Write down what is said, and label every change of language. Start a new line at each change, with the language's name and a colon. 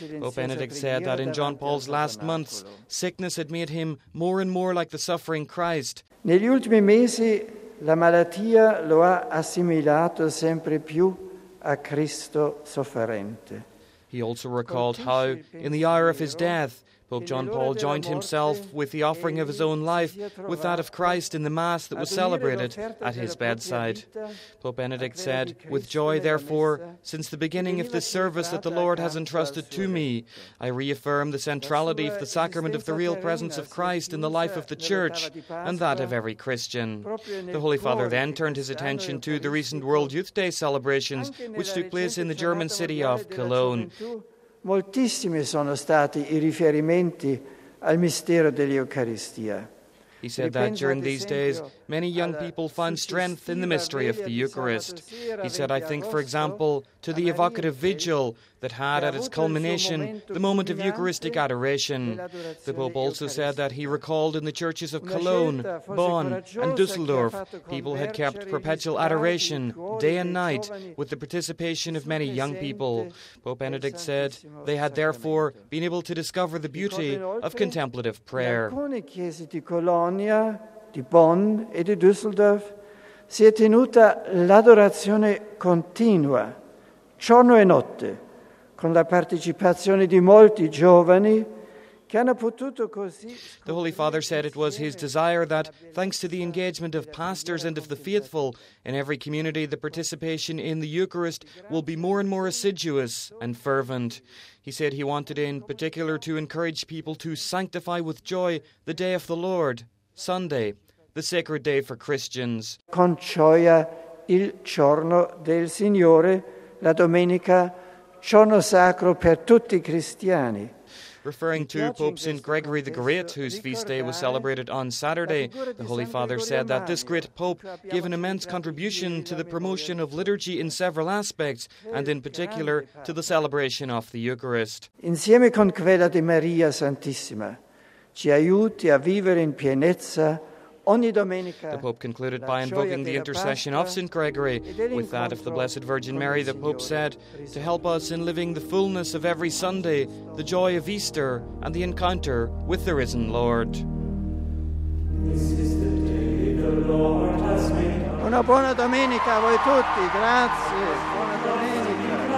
English: Pope Benedict said that in John Paul's last months, sickness had made him more and more like the suffering Christ.
Italian: Negli ultimi mesi, la malattia lo ha assimilato sempre più a Cristo sofferente.
English: He also recalled how, in the hour of his death, Pope John Paul joined himself with the offering of his own life with that of Christ in the Mass that was celebrated at his bedside. Pope Benedict said, "With joy, therefore, since the beginning of this service that the Lord has entrusted to me, I reaffirm the centrality of the sacrament of the real presence of Christ in the life of the Church and that of every Christian." The Holy Father then turned his attention to the recent World Youth Day celebrations, which took place in the German city of Cologne.
Italian: Moltissimi sono stati i riferimenti al mistero dell'Eucaristia.
English: He said that during these days, many young people find strength in the mystery of the Eucharist. He said, I think, for example, to the evocative vigil that had at its culmination the moment of Eucharistic adoration. The Pope also said that he recalled in the churches of Cologne, Bonn, and Düsseldorf, people had kept perpetual adoration day and night with the participation of many young people. Pope Benedict said they had therefore been able to discover the beauty of contemplative prayer.
Italian: Di Bonn e di Düsseldorf si è tenuta l'adorazione continua, giorno e notte, con la partecipazione di molti giovani.
English: The Holy Father said it was his desire that, thanks to the engagement of pastors and of the faithful, in every community the participation in the Eucharist will be more and more assiduous and fervent. He said he wanted in particular to encourage people to sanctify with joy the day of the Lord, Sunday, the sacred day for Christians.
Italian: Con gioia il giorno del Signore, la domenica, giorno sacro per tutti i cristiani.
English: Referring to Pope St. Gregory the Great, whose feast day was celebrated on Saturday, the Holy Father said that this great Pope gave an immense contribution to the promotion of liturgy in several aspects, and in particular to the celebration of the Eucharist.
Italian: Insieme con quella di Maria Santissima, ci aiuti a vivere in pienezza ogni domenica.
English: The Pope concluded by invoking the intercession of St. Gregory with that of the Blessed Virgin Mary, the Pope said, to help us in living the fullness of every Sunday, the joy of Easter, and the encounter with the risen Lord. This is the day the Lord has made.
Italian: Una buona domenica a voi tutti, grazie. Buona domenica.